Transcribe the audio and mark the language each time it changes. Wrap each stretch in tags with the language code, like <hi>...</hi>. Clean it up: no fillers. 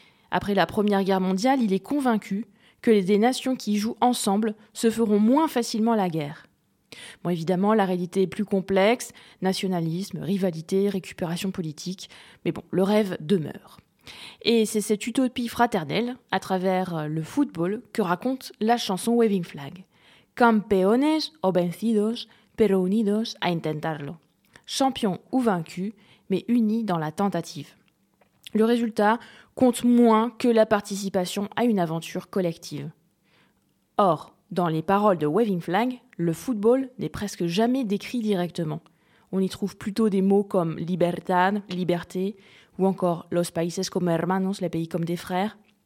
<fr>Après la Première Guerre mondiale, il est convaincu que les nations qui jouent ensemble se feront moins facilement la guerre. Bon, évidemment, la réalité est plus complexe, nationalisme, rivalité, récupération politique, mais bon, le rêve demeure. Et c'est cette utopie fraternelle, à travers le football, que raconte la chanson « Waving Flag ».</fr> <es>Campeones o vencidos, pero unidos a intentarlo.</es> <fr>Champions ou vaincus, mais unis dans la tentative. Le résultat compte moins que la participation à une aventure collective. Or, dans les paroles de Waving Flag, le football n'est presque jamais décrit directement. On y trouve plutôt des mots comme libertad, liberté, ou encore</fr> <es>los países como hermanos,</es> <fr>les pays comme des frères.</fr>